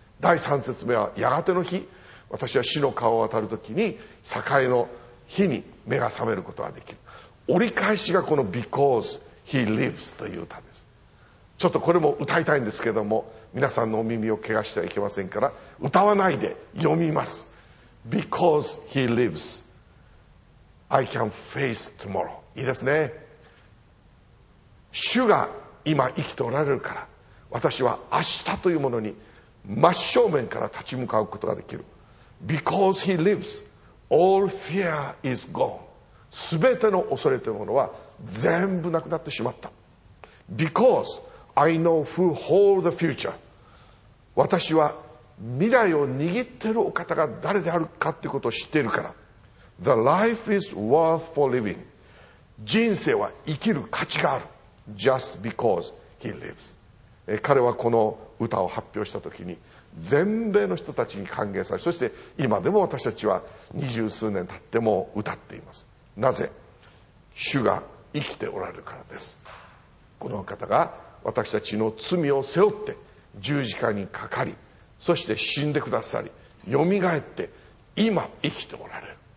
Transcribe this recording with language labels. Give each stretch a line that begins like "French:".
Japanese: 第3節目はやがての日、私は死の川を渡るときに栄えの日に目が覚めることができる。折り返しがこの Because He Lives という歌です。ちょっとこれも歌いたいんですけども、皆さんのお耳を怪我してはいけませんから歌わないで読みます。
English: Because He Lives I Can Face Tomorrow。
Japanese: いいですね。主が今生きておられるから、私は明日というものに真正面から立ち向かうことができる。
English: Because he lives, all fear is gone.
Japanese: 全ての恐れというものは全部なくなってしまった。
English: Because I know who holds the future.
Japanese: 私は未来を握っているお方が誰であるかということを知っているから。
English: The life is worth for living.
Japanese: 人生は生きる価値がある。
English: Just because he lives.
Japanese: 彼はこの歌を発表したときに全米の人たちに歓迎され、そして今でも私たちは二十数年経っても歌っています。なぜ？主が生きておられるからです。この方が私たちの罪を背負って十字架にかかり、そして死んでくださり、よみがえって今生きておられる。